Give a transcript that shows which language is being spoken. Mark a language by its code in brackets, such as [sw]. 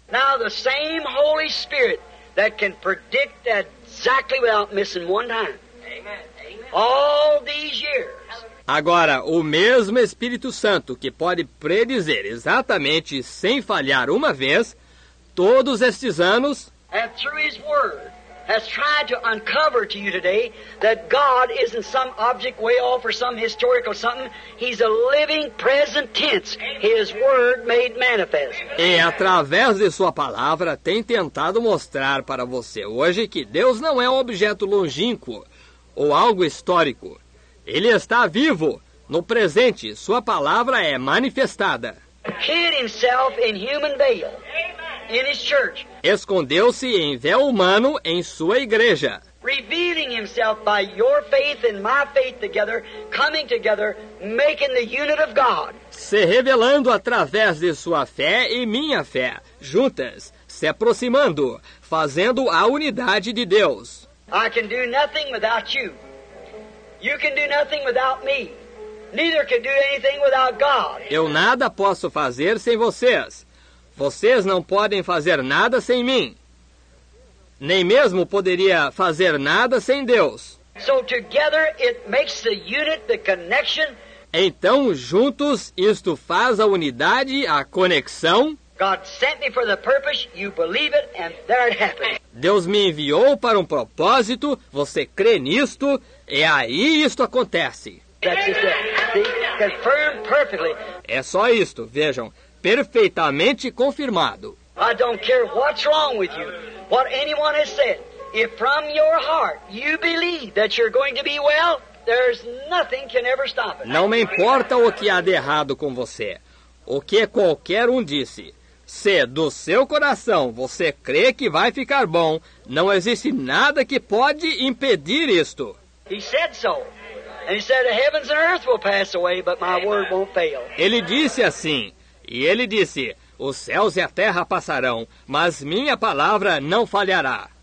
[en] Now the same Holy Spirit that can predict that exactly without missing one time. All these years. [pt] Agora, o mesmo Espírito Santo que pode predizer exatamente sem falhar uma vez, todos estes anos, [en] and through his word has tried to uncover to you today that God isn't some object way off or some historical something. He's a living present tense. His word made manifest. [pt] E através de sua palavra tem tentado mostrar para você hoje que Deus não é um objeto longínquo ou algo histórico. Ele está vivo no presente. Sua palavra é manifestada. [en] Hid himself in human veil. In his church. [pt] Escondeu-se em véu humano em sua igreja. [en] Revealing himself by your faith and my faith together, coming together, making the unit of God. [pt] Se revelando através de sua fé e minha fé, juntas, se aproximando, fazendo a unidade de Deus. [en] I can do nothing without you. You can do nothing without me. Neither can do anything without God. [pt] Eu nada posso fazer sem vocês. Vocês não podem fazer nada sem mim. Nem mesmo poderia fazer nada sem Deus. [en] So together it makes the unit, the connection. [pt] Então, juntos, isto faz a unidade, a conexão. [en] God sent me for the purpose, you believe it, and there it happens. [pt] Deus me enviou para um propósito, você crê nisto, e aí isto acontece. [en] That's just it. They confirm perfectly. [pt] É só isto, vejam. Perfeitamente confirmado. [en] I don't care what's wrong with you, what anyone has said. If from your heart you believe that you're going to be well, there's nothing can ever stop it. [pt] Não me importa o que há de errado com você, o que qualquer um disse. Se do seu coração você crê que vai ficar bom, não existe nada que pode impedir isto. [en] He said so. And he said the heavens and earth will pass away, but my word won't fail. [pt] Ele disse assim. E ele disse: os céus e a terra passarão, mas minha palavra não falhará.